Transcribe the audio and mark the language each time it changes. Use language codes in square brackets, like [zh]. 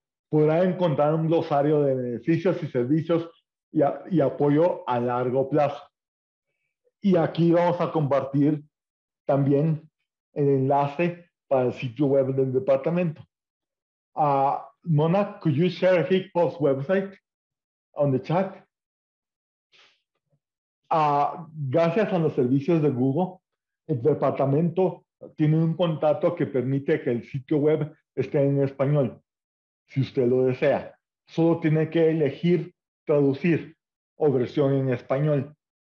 [es] Podrán encontrar un glosario de beneficios y servicios y apoyo a largo plazo. Y aquí vamos a compartir también el enlace para el sitio web del departamento. [en] Mona, could you share HCPF's website on the chat? [es] Gracias a los servicios de Google, el departamento tiene un contrato que permite que el sitio web esté en español, si usted lo desea. Solo tiene que elegir traducir o versión en español.